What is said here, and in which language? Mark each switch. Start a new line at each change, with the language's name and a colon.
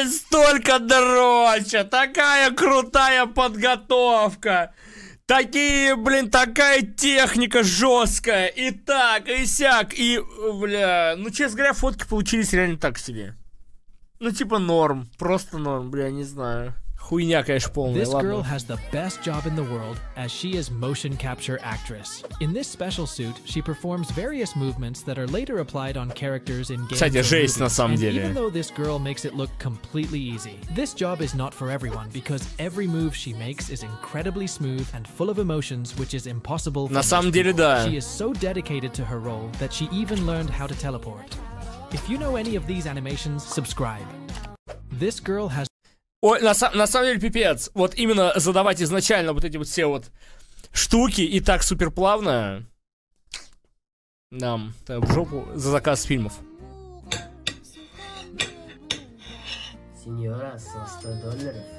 Russian: Только дроча, такая крутая подготовка, такие, блин, такая техника жесткая, и так, и сяк, и, бля, ну, честно говоря, фотки получились реально так себе, ну, типа, норм, просто норм, бля, не знаю, хуйня, конечно, полная,
English: ладно. This girl has the best job in the world, as she is motion capture actress. In this special suit, she performs various movements that are later applied on characters in games.
Russian: Кстати, жесть на самом деле.
English: Even though this girl makes it look completely easy, this job is not for everyone because every move she makes is incredibly smooth and full of emotions, which is impossible.
Russian: На самом деле, да.
English: She is so dedicated to her role that she even learned how to teleport. If you know any of these animations, subscribe. This girl has.
Russian: Ой, на самом деле пипец, вот именно задавать изначально вот эти вот все вот штуки и так супер плавно. Нам, да, в жопу за заказ фильмов. Сеньора, со 100 долларов.